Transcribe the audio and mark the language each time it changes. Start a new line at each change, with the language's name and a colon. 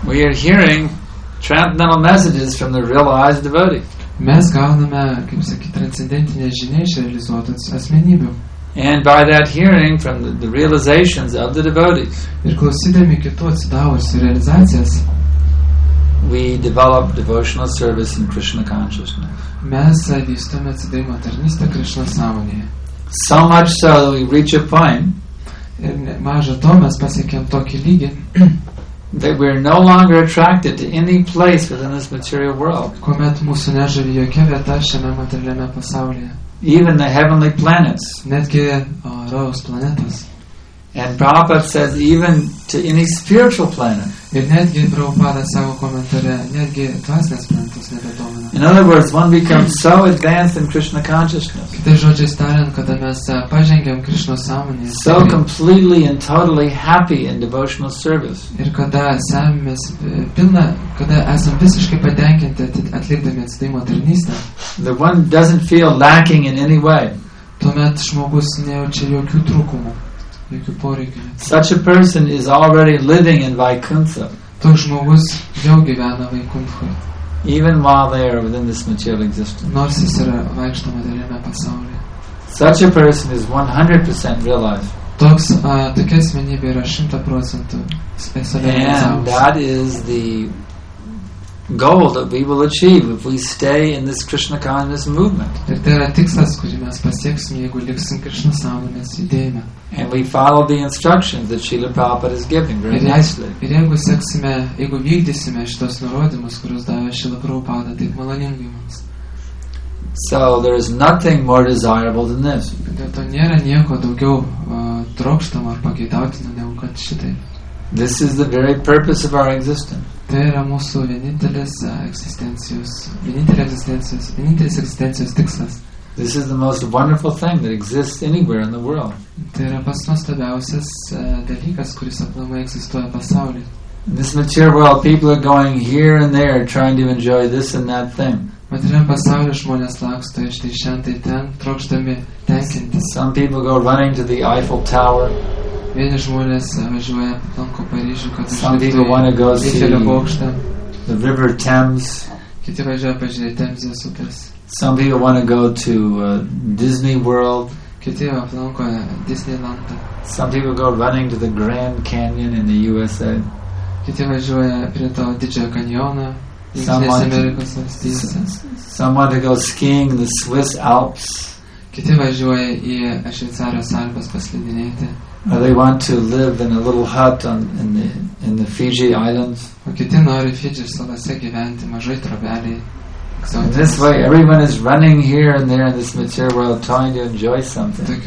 English: we are hearing transcendental messages from the realized devotee.
Lithuanian: Mes gauname, kaip sakyt, transcendentinės žinias iš realizuotų asmenybių.
English: And by that hearing from the realizations of the devotees,
Lithuanian: ir klausydami kitų atsidavusių realizacijas,
English: we develop devotional service in Krishna consciousness.
Lithuanian: Mes vystome atsidavimo tarnystę Krishna sąmonėje.
English: So much so that we reach a point,
Lithuanian: ir maža to, mes pasiekėm tokį lygį,
English: that we are no longer attracted to any place within this material world.
Lithuanian: Kuomet mūsų nežavi jokia vieta šiame materialiame pasaulyje.
English: Even the heavenly planets.
Lithuanian: Netgi rojaus planetos.
English: And Prabhupada says even to any spiritual planet.
Lithuanian: Ir netgi Prabhupada savo komentare, netgi dvasinės planetos nebedomina.
English: In other words, one becomes so advanced in Krishna consciousness.
Lithuanian: Kitais žodžiais tariant, kada mes pažengiam Krishna sąmonėje.
English: So completely and totally happy in devotional service.
Lithuanian: Ir kada esamės pilna, kada esam visiškai patenkinti atlikdami atsidavimo tarnystę.
English: The one doesn't feel lacking in any way.
Lithuanian: Tuomet žmogus nejaučia jokių trūkumų.
English: Such a person is already living in Vaikuntha.
Lithuanian: Toks žmogus jau gyvena Vaikunthe.
English: Even while they are within this material existence.
Lithuanian: Nors jis yra vaikšto materialiame pasaulyje.
English: Such a person is 100% realized.
Lithuanian: Toks tokia asmenybė yra 100% realizavusi.
English: And that is the goal that we will achieve if we stay in this Krishna consciousness movement.
Lithuanian: Ir tai yra tikslas, kurį mes pasieksime, jeigu liksim Krishna sąmonės judėjime.
English: And we follow the instructions that Srila Prabhupada is giving very nicely.
Lithuanian: Ir jeigu seksime, jeigu vykdysime šitos nurodymus, kuriuos davė Srila Prabhupada, taip maloningai mums.
English: So there is nothing more desirable than this.
Lithuanian: Dėl to nėra nieko daugiau trokštamo ar pageidautino negu kad šitai.
English: This is the very purpose of our existence.
Lithuanian: Tai yra mūsų vienintelis egzistencijos, vienintelis egzistencijos tikslas.
English: This is the most wonderful thing that exists anywhere in the world.
Lithuanian: Tai yra pats nuostabiausias dalykas, kuris aplamai egzistuoja pasaulyje.
English: This material world, people are going here and there trying to enjoy this and that thing.
Lithuanian: Materialiame pasaulyje žmonės laksto iš tai šen tai ten, trokšdami tenkinti.
English: Some people go running to the Eiffel Tower.
Lithuanian: Vieni žmonės važiuoja aplanko Paryžių, kad Eiffelio bokštą.
English: The River Thames.
Lithuanian: Kiti važiuoja pažiūrėti Temzės upės.
English: Some people want to go to Disney World.
Lithuanian: Kiti aplanko Disneyland.
English: Some people go running to the Grand Canyon in the USA.
Lithuanian: Kiti važiuoja prie to Didžiojo kanjono Jungtinės Amerikos valstijose.
English: Some want to go skiing in the Swiss Alps.
Lithuanian: Kiti važiuoja į Šveicarijos Alpes paslidinėti.
English: Or they want to live in a little hut on in the Fiji Islands.
Lithuanian: O kiti nori Fidži salose gyventi mažoj trobelėj.
English: In this way, everyone is running here and there in this material world trying to enjoy something.